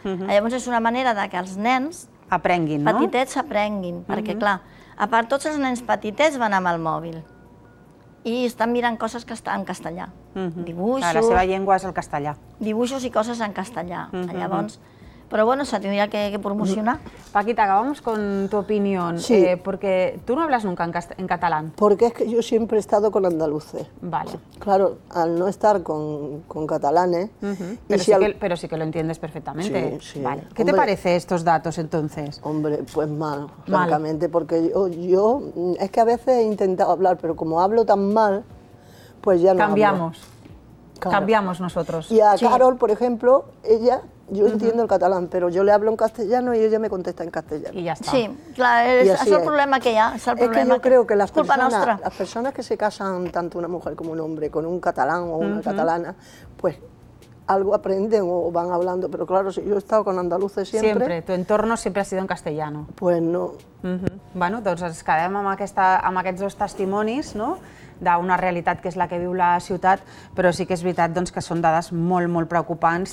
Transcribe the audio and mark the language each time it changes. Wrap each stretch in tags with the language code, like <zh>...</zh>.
<ca>Llavors és una manera de que els nens aprenguin, petitets, no? Aprenguin, perquè clar, a part tots els nens petitets van amb el mòbil i estan mirant coses que estan en castellà. Dibuixos. La seva llengua és el castellà. Dibuixos i coses en castellà. Llavors, però bueno,</ca> <es>se tendría que promocionar. Paquita, acabamos con tu opinión. Sí. Porque tú no hablas nunca en catalán. Porque es que yo siempre he estado con andaluces. Vale. Claro, al no estar con catalanes... Pero sí que lo entiendes perfectamente. Sí, sí. Vale. ¿Qué te parece estos datos, entonces? Hombre, pues mal, francamente. Porque yo es que a veces he intentado hablar, pero como hablo tan mal, pues ya no cambiamos. Hablo. Claro. Cambiamos nosotros. Y a Carol, por ejemplo, ella... Yo entiendo el catalán, pero yo le hablo en castellano y ella me contesta en castellano. Y ya está. Sí, claro, es el problema que ya. Es, el es problema que yo creo que las personas que se casan, tanto una mujer como un hombre, con un catalán o una catalana, pues algo aprenden o van hablando. Pero claro, si yo he estado con andaluces siempre... Siempre, tu entorno siempre ha sido en castellano. Pues no.</es> <ca>Bueno, doncs ens quedem amb aquests dos testimonis, no?, d'una realitat que és la que viu la ciutat, però sí que és veritat doncs, que són dades molt, molt preocupants,</ca>